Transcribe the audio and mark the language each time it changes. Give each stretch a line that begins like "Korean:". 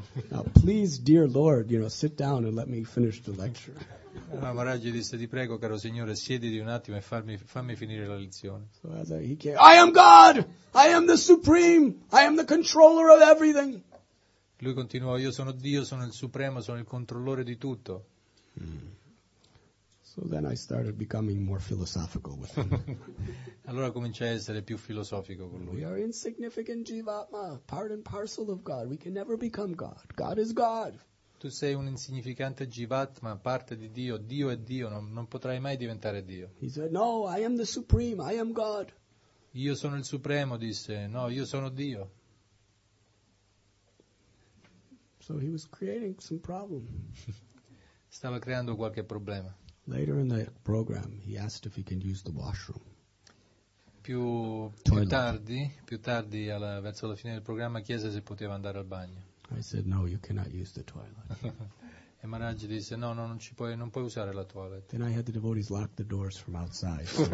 English: Now, please, dear Lord, you know, sit down and let me finish the lecture.
Italian: Ma Maharaj disse, "Ti prego, caro Signore, siediti un attimo e fammi finire la lezione."
English: So as he came, "I am God! I am the Supreme! I am the controller of everything!"
Italian: Lui continuò, "Io sono Dio, sono il Supremo, sono il controllore di tutto."
English: So then I started becoming more philosophical with him.
Italian: Allora cominciai a essere più filosofico con lui.
English: We are insignificant jivatma, part and parcel of God. We can never become God. God is God.
Italian: Tu sei un insignificante jivatma, parte di Dio. Dio è Dio, non potrai mai diventare Dio.
English: He said, "No, I am the Supreme, I am God."
Italian: Io sono il Supremo, disse. No, io sono Dio.
English: So he was creating some problem.
Italian: Stava creando qualche problema.
English: Later in the program, he asked if he can use the washroom.
Italian: Più tardi, verso la fine del programma, chiese se poteva andare al bagno.
English: I said, "No, you cannot use the toilet."
Italian: E Maharaj disse, no, non puoi usare la toilet.
English: Then I had the devotees lock the doors from outside.